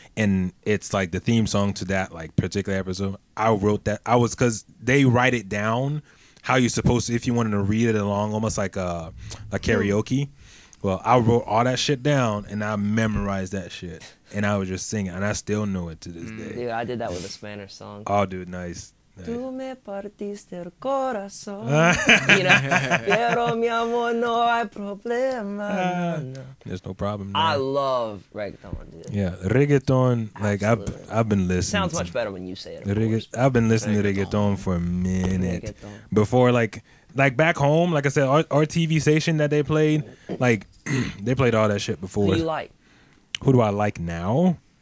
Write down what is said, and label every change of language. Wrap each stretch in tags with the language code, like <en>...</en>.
<en>And it's like the theme song to that like particular episode. I wrote that. I was, because they write it down how you're supposed to, if you wanted to read it along, almost like a karaoke. Well, I wrote all that shit down and I memorized that shit. And I was just singing, and I still know it to this day. Dude, I did that with a Spanish song. Oh, dude, nice.</en> <es>Tú me partiste el corazón. Mira, pero mi amor, no hay problema.</es> <en>There's no problem. I love reggaeton, dude. Yeah, reggaeton. Absolutely. Like I've been listening. Sounds much better when you say it. I've been listening to reggaeton for a minute before, like back home. Like I said, our TV station that they played, like they played all that shit before. Who do you like? Who do I like now?</en>